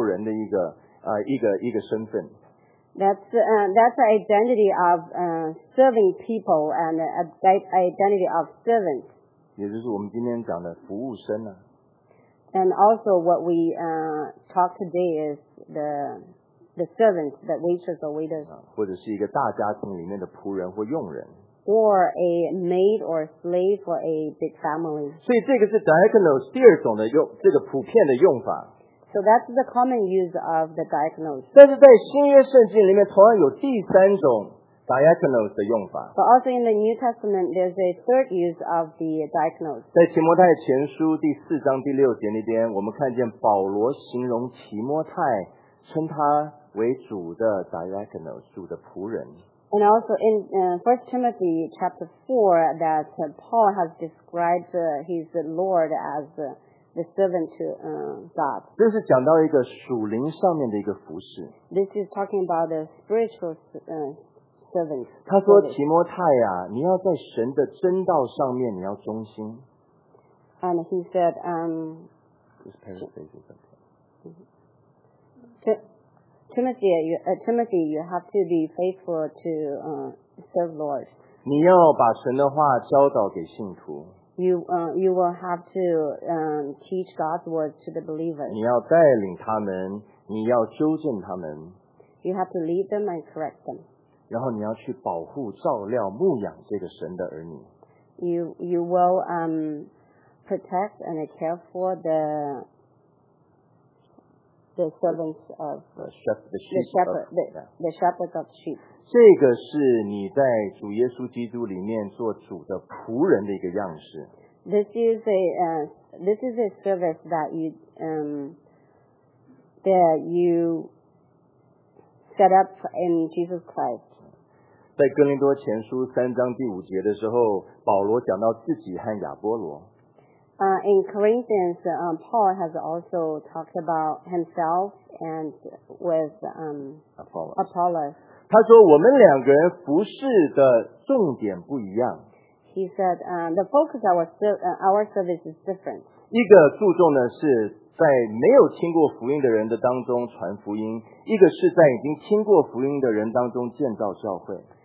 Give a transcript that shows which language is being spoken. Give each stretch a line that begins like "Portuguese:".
Chinese: 这个是一个在下面是服侍人的，是仆人的身份，是一个伺候人的一个身份。
English: That's the identity of serving people and a identity of servants.
Chinese: 也就是我们今天讲的服务生啊。
English: And also what we talk today is the servants, the waitress or waiters.
Chinese: 或者是一个大家庭里面的仆人或佣人。
English: Or a maid or a slave for a big family.
Chinese: 所以这个是 diakonos 第二种的用，这个普遍的用法。
English: So that's the common use of the diakonos.
Chinese: 但是在新约圣经里面同样有第三种diakonos 的用法。
English: But also in the New Testament, there's a third use of the diakonos.
Chinese: 在提摩太前书第四章第六节那边，我们看见保罗形容提摩太，称他为主的 diakonos， 主的仆人。
English: And also in First Timothy chapter 4, that Paul has described his Lord as the servant to God.
Chinese: 这是讲到一个属灵上面的一个服侍。
English: This is talking about the spiritual servant.
Chinese: 他说提摩太啊，你要在神的真道上面你要忠心。
English: And he said, Timothy, you have to be faithful to serve Lord.
Chinese: 你要把神的话教导给信徒。
English: You will have to teach God's word to the believers.
Chinese: 你要带领他们，你要纠正他们。
English: You have to lead them and correct them.
Chinese: 然后你要去保护、照料、牧养这个神的儿女。
English: You will protect and care for the servants of the shepherd of sheep.
Chinese: 这个是你在主耶稣基督里面做主的仆人的一个样式。
English: This is a service that you set up in Jesus Christ.
Chinese: 在哥林多前书三章第五节的时候，保罗讲到自己和亚波罗。
English: In Corinthians, Paul has also talked about himself and with Apollos.
Chinese: 他说我们两个人服侍的重点不一样。
English: He said, the focus of our service is different.
Chinese: 一个注重的是在没有听过福音的人的当中传福音，一个是在已经听过福音的人当中建造教会。